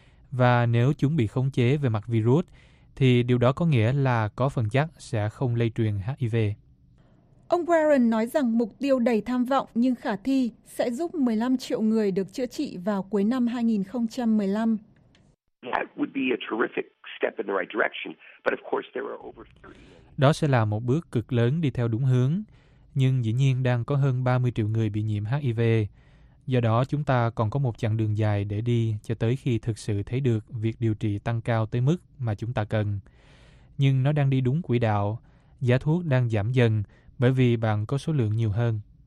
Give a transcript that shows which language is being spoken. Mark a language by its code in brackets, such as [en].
[vi] Và nếu chúng bị khống chế về mặt virus, thì điều đó có nghĩa là có phần chắc sẽ không lây truyền HIV. Ông Warren nói rằng mục tiêu đầy tham vọng nhưng khả thi sẽ giúp 15 triệu người được chữa trị vào cuối năm 2015. [en] That would be a terrific step in the right direction, but of course there are over 30. [vi] Đó sẽ là một bước cực lớn đi theo đúng hướng, nhưng dĩ nhiên đang có hơn 30 triệu người bị nhiễm HIV. Do đó, chúng ta còn có một chặng đường dài để đi cho tới khi thực sự thấy được việc điều trị tăng cao tới mức mà chúng ta cần. Nhưng nó đang đi đúng quỹ đạo, giá thuốc đang giảm dần bởi vì bạn có số lượng nhiều hơn.